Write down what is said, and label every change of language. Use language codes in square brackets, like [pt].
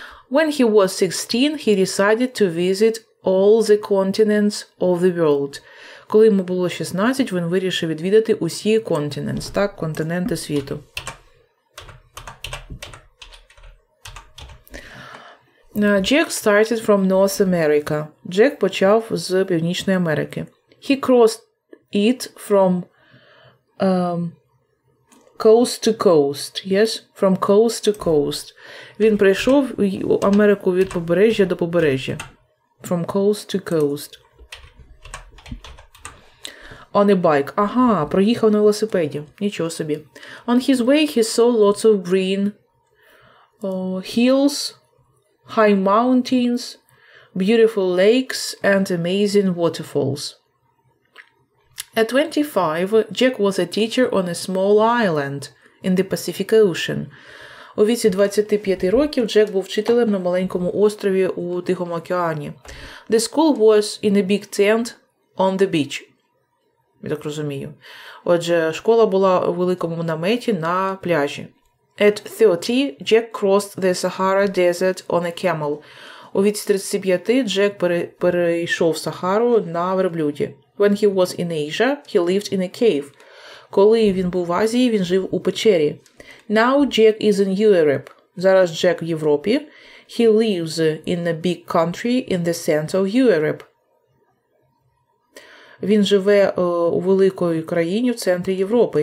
[en] When he was 16, he decided to visit all the continents of the world. [uk] Коли йому було 16, він вирішив відвідати усі continents, так, континенти світу. [en] Jack started from North America. [uk] Jack почав з Північної Америки. [en] He crossed it from coast to coast, yes, from coast to coast. [uk] Він прийшов у Америку від побережжя до побережжя. [en] From coast to coast. On a bike. [uk] Ага, проїхав на велосипеді. Нічого собі. [en] On his way he saw lots of green hills, high mountains, beautiful lakes and amazing waterfalls. At 25, Jack was a teacher on a small island in the Pacific Ocean. [uk] У віці 25 років Джек був вчителем на маленькому острові у Тихому океані. [en] The school was in a big tent on the beach. [uk] Я так розумію. Отже, школа була у великому наметі на пляжі. [en] At 30, Jack crossed the Sahara Desert on a camel. [uk] У віці 35 Джек перейшов Сахару на верблюді. [en] When he was in Asia, he lived in a cave. [uk] Коли він був в Азії, він жив у печері. [en] Now Jack is in Europe. [uk] Зараз Джек в Європі. [en] He lives in a big country in the center of Europe. [uk] Він живе у великій країні в центрі Європи.